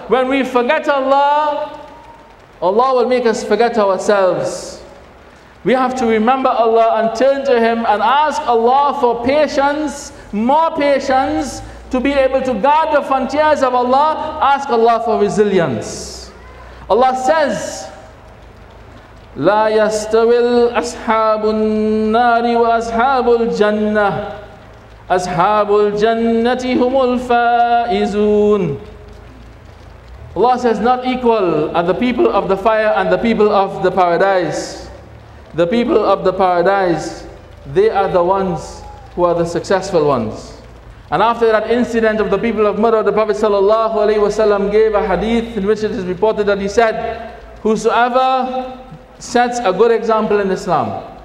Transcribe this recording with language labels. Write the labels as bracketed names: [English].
[English] When we forget Allah, Allah will make us forget ourselves. We have to remember Allah and turn to Him and ask Allah for patience, more patience, to be able to guard the frontiers of Allah. Ask Allah for resilience. Allah says, [Arabic] لا يستوي الأصحاب النار وأصحاب الجنة أصحاب الجنة هم الفائزون. [English] Allah says, not equal are the people of the fire and the people of the paradise. The people of the paradise, they are the ones who are the successful ones. And after that incident of the people of Madr, the Prophet sallallahu alaihi wasallam gave a hadith in which it is reported that he said, whosoever sets a good example in Islam,